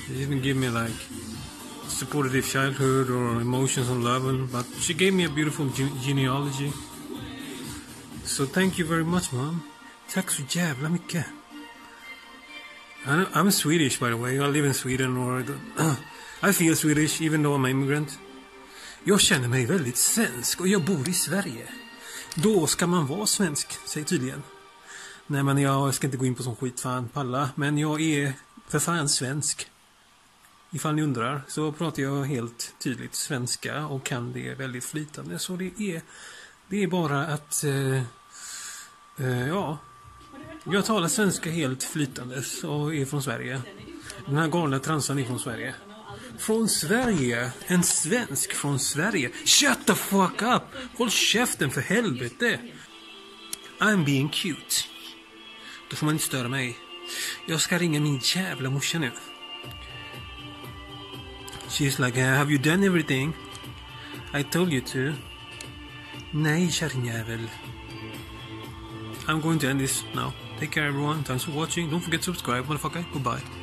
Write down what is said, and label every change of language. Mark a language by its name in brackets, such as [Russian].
[English] She didn't give me, like, supportive childhood or emotions and love, but she gave me a beautiful genealogy. So thank you very much, mom. Tack så jävla mycket. I'm Swedish, by the way. I live in Sweden, or I feel Swedish, even though I'm an immigrant. [Swedish] Jag känner mig väldigt svensk, och jag bor I Sverige. Då ska man vara svensk, säger tydligen. Nej, men jag ska inte gå in på sån skit, fan, palla. Men jag är för fan svensk. Ifall ni undrar, så pratar jag helt tydligt svenska, och kan det väldigt flytande. Så det är bara att, ja... Jag talar svenska helt flytande och är från Sverige. Den här galna transan är från Sverige. Från Sverige? En svensk från Sverige? Shut the fuck up! Håll käften för helvete! I'm being cute. Då får man inte störa mig. Jag ska ringa min jävla morsa nu. [English] She's like, have you done everything? I told you to. Nej, kärringjävel. I'm going to end this now. Take care, everyone. Thanks for watching. Don't forget to subscribe, motherfucker. Goodbye.